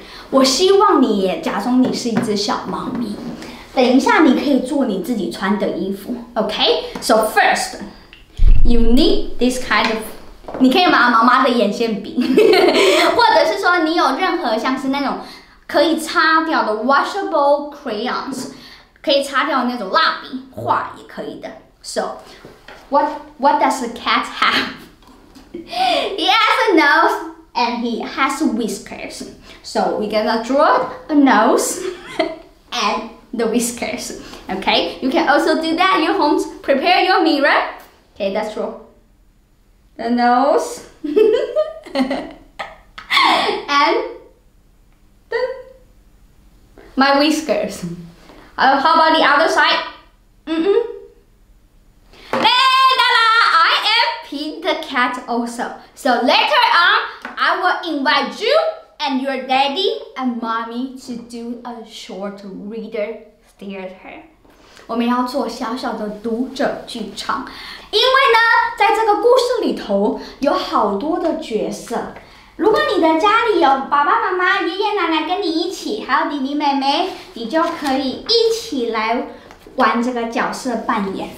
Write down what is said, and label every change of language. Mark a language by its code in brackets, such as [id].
[zh] 我希望你也假装你是一只小猫咪。等一下你可以做你自己穿的衣服。 [en] Okay, so first, you need this kind of. [zh] 你可以拿妈妈的眼线笔，或者是说你有任何像是那种可以擦掉的 [en] washable crayons， [zh] 可以擦掉的那种蜡笔画也可以的。 [en] So, what does the cat have? He has a nose and he has whiskers. So we're gonna draw a nose and the whiskers. Okay, you can also do that at your home. Prepare your mirror. Okay, that's true. The nose and my whiskers. How about the other side? Mm-mm. Hey, da-da, I am Peter. the cat also. So later on, I will invite you and your daddy and mommy to do a short reader theater. [zh] 我们要做小小的读者剧场，因为呢，在这个故事里头有好多的角色。如果你的家里有爸爸妈妈、爷爷奶奶跟你一起，还有弟弟妹妹，你就可以一起来玩这个角色扮演。